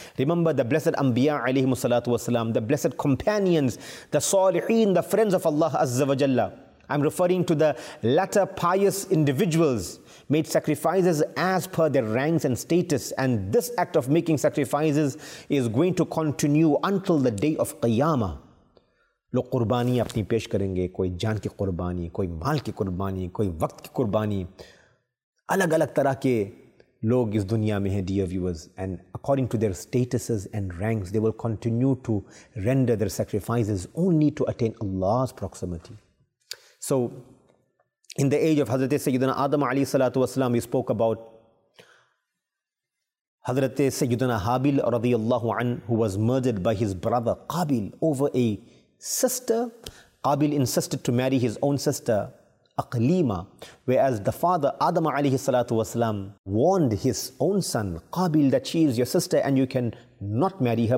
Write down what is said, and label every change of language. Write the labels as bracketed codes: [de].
[en] Remember the blessed Anbiya alayhim salatu wasalam, the blessed companions, the saliheen, the friends of Allah azza wa jalla. I'm referring to the latter pious individuals made sacrifices as per their ranks and status. And this act of making sacrifices is going to continue until the day of Qiyamah. [ur] لوگ قربانی اپنی پیش کریں گے, کوئی جان کی قربانی, کوئی مال کی قربانی, کوئی وقت کی قربانی, الگ الگ طرح کے لوگ اس دنیا میں ہیں, [en] dear viewers, and according to their statuses and ranks, they will continue to render their sacrifices only to attain Allah's proximity. So in the age of Hazrat Sayyidina Adam alayhi salatu wasalam, we spoke about Hazrat Sayyidina Habil radiyallahu an, who was murdered by his brother Qabil over a sister. Qabil insisted to marry his own sister, Aqlima, whereas the father, Adam alayhi salatu wasalam, warned his own son, Qabil, that she is your sister and you can not marry her.